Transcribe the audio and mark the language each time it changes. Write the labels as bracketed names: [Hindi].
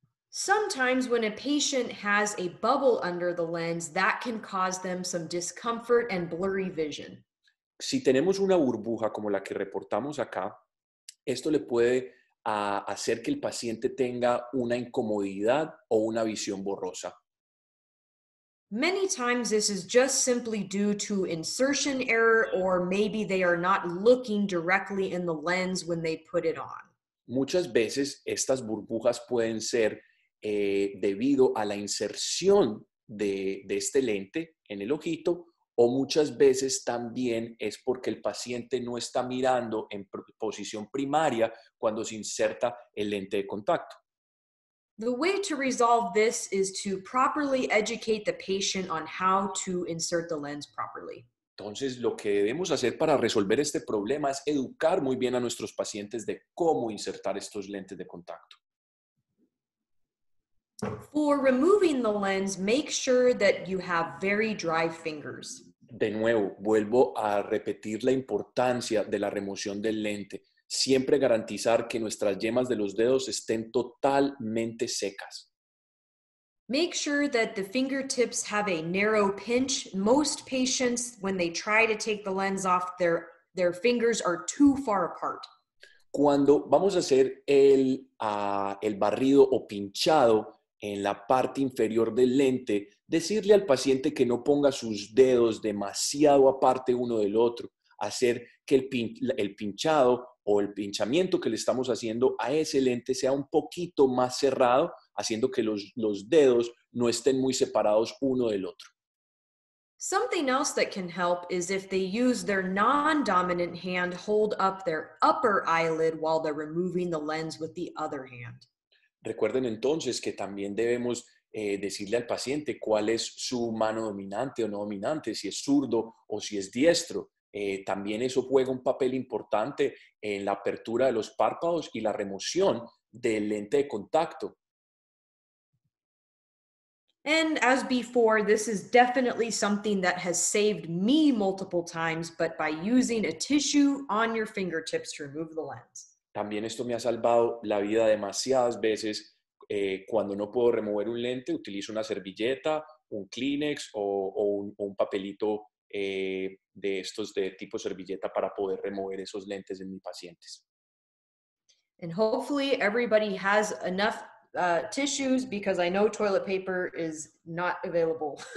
[English] Sometimes when a patient has a bubble under the lens, that can cause them some discomfort and blurry vision. [Spanish] Si tenemos una burbuja como la que reportamos acá, esto le puede hacer que el paciente tenga una incomodidad o una visión borrosa. [English] Many times this is just simply due to insertion error or maybe they are not looking directly in the lens when they put it on. [Spanish] Muchas veces estas burbujas pueden ser debido a la inserción de este lente en el ojito, o muchas veces también es porque el paciente no está mirando en posición primaria cuando se inserta el lente de contacto. [English] The way to resolve this is to properly educate the patient on how to insert the lens properly. [Spanish] Entonces, lo que debemos hacer para resolver este problema es educar muy bien a nuestros pacientes de cómo insertar estos lentes de contacto. [English] For removing the lens, make sure that you have very dry fingers. [Spanish] De nuevo, vuelvo a repetir la importancia de la remoción del lente. Siempre garantizar que nuestras yemas de los dedos estén totalmente secas. [English] Make sure that the fingertips have a narrow pinch. Most patients, when they try to take the lens off, their fingers are too far apart. [Spanish] Cuando vamos a hacer el barrido o pinchado en la parte inferior del lente, decirle al paciente que no ponga sus dedos demasiado aparte uno del otro, hacer que el pinchado o el pinchamiento que le estamos haciendo a ese lente sea un poquito más cerrado, haciendo que los dedos no estén muy separados uno del otro. [English] Something else that can help is if they use their non-dominant hand, hold up their upper eyelid while they're removing the lens with the other hand. [Spanish] Recuerden entonces que también debemos decirle al paciente cuál es su mano dominante o no dominante, si es zurdo o si es diestro. También eso juega un papel importante en la apertura de los párpados y la remoción del lente de contacto. [English] And as before, this is definitely something that has saved me multiple times, but by using a tissue on your fingertips to remove the lens. [Spanish] También esto me ha salvado la vida demasiadas veces. Cuando no puedo remover un lente, utilizo una servilleta, un Kleenex o un papelito de estos de tipo servilleta para poder remover esos lentes en mis pacientes. [English] And hopefully everybody has enough tissues, because I know toilet paper is not available.